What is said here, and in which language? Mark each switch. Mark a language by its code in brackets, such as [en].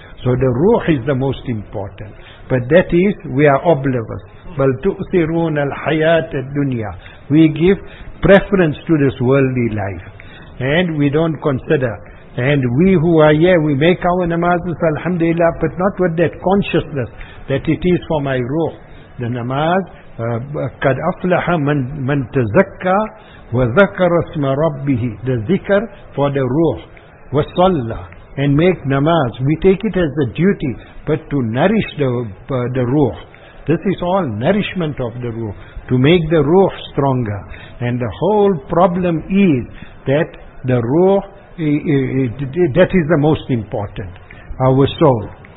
[en] So the ruh is the most important. But that is, we are oblivious. [ar] Bal tu'thiruna al-hayat ad-dunya. [en] We give preference to this worldly life. And we don't consider. And we who are here, we make our namazes, alhamdulillah, but not with that consciousness that it is for my ruh. The namaz, [ar] قَدْ أَفْلَحَ مَنْ تَزَكَّى وَذَكَرَ اسْمَ رَبِّهِ. [en] The zikr for the ruh. وَصَلَّى. And make namaz. We take it as a duty, but to nourish the ruh. This is all nourishment of the ruh, to make the ruh stronger. And the whole problem is that the ruh, that is the most important, our soul.